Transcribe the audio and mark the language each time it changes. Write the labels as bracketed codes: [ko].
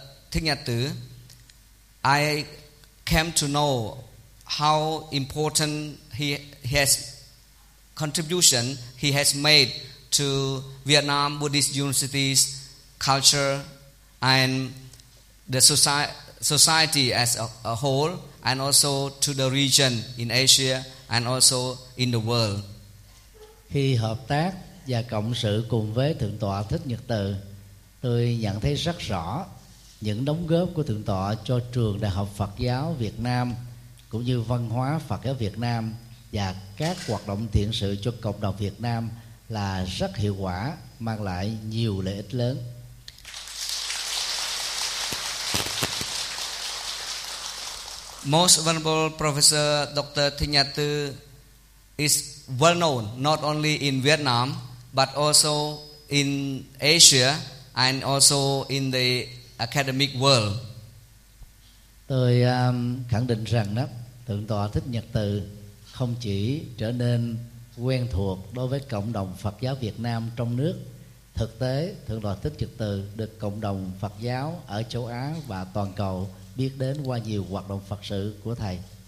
[en] Thich Nhat Hanh, I came to know how important he has made to Vietnam Buddhist University's culture and the society as a whole, and also to the region in Asia and also in the world. [vi] Khi hợp tác và cộng sự cùng với Thượng tọa Thích Nhật Từ, tôi nhận thấy rất rõ những đóng góp của Thượng tọa cho trường Đại học Phật giáo Việt Nam cũng như văn hóa Phật giáo Việt Nam và các hoạt động thiện sự cho cộng đồng Việt Nam là rất hiệu quả, mang lại nhiều lợi ích lớn. [en] Most Venerable Professor Dr. Thich Nhat Hanh is well known not only in Vietnam but also in Asia and also in the academic world. [vi] Tôi khẳng định rằng đó, Thượng tọa Thích Nhật Từ không chỉ trở nên quen thuộc đối với cộng đồng Phật giáo Việt Nam trong nước, thực tế Thượng tọa Thích Nhật Từ được cộng đồng Phật giáo ở châu Á và toàn cầu biết đến qua nhiều hoạt động Phật sự của thầy.